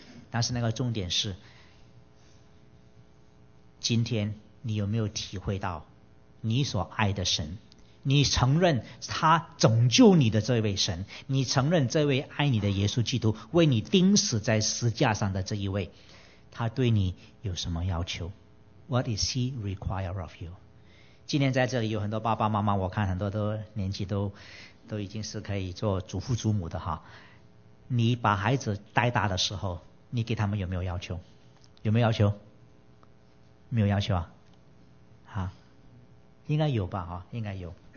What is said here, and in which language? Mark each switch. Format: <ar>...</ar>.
<zh>但是那个重点是，今天你有没有体会到你所爱的神，你承认他拯救你的这位神，你承认这位爱你的耶稣基督为你钉死在十字架上的这一位，他对你有什么要求？</zh> <en>What is he require of you？</en> <zh>今天在这里有很多爸爸妈妈，我看很多都年纪都已经是可以做祖父祖母的哈。你把孩子带大的时候，你给他们有没有要求？有没有要求？没有要求啊，啊，应该有吧，啊，应该有。</zh>